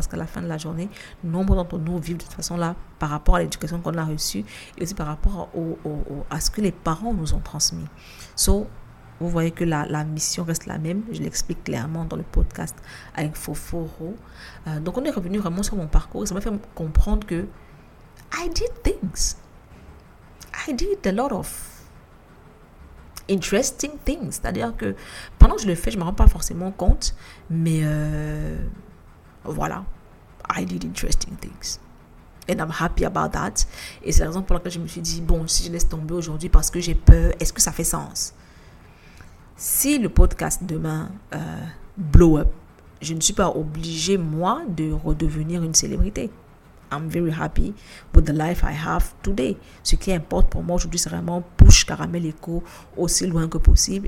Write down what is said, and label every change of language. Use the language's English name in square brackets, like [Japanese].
[French] Parce qu'à la fin de la journée, nombre d'entre nous vivent de toute façon là par rapport à l'éducation qu'on a reçue et aussi par rapport à ce que les parents nous ont transmis. So, vous voyez que la mission reste la même. Je l'explique clairement dans le podcast avec Foforo. Donc, on est revenu vraiment sur mon parcours. Ça m'a fait comprendre que [English] I did things. I did a lot of interesting things. [French] C'est-à-dire que pendant que je le fais, je ne me rends pas forcément compte. Mais voilà. [English] I did interesting things. And I'm happy about that. [French] Et c'est la raison pour laquelle je me suis dit, bon, si je laisse tomber aujourd'hui parce que j'ai peur, est-ce que ça fait sens? Si le podcast demain [English] blow up, [French] je ne suis pas obligée, moi, de redevenir une célébrité. [English] I'm very happy with the life I have today. [French] Ce qui importe pour moi aujourd'hui, c'est vraiment push Caramel Éco aussi loin que possible.